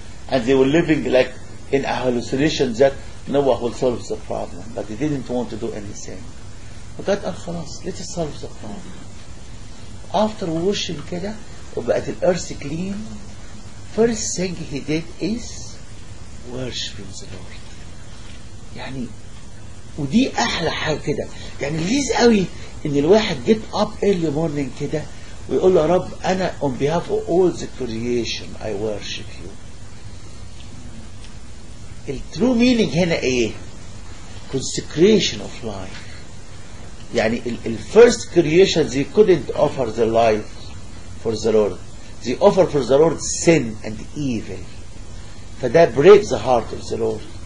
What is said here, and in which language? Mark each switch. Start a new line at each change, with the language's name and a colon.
English: And they were living like in a hallucination that Noah will solve the problem. But they didn't want to do anything. But God said,
Arabic: خلاص,
English: let us solve the problem. After washing
Arabic: كده, وبقت
English: the earth clean, first thing he did is worshiping the Lord.
Arabic: يعني ودي احلى حاجه كده, يعني لذيذ قوي ان الواحد
English: get up early morning
Arabic: كده ويقول له يا رب انا
English: on behalf of all the creation I worship you. الترو meaning
Arabic: هنا ايه؟
English: consecration of life.
Arabic: يعني ال
English: first creation they couldn't offer the life for the Lord. They offer for the Lord sin and evil.
Arabic: فده
English: break the heart of the Lord.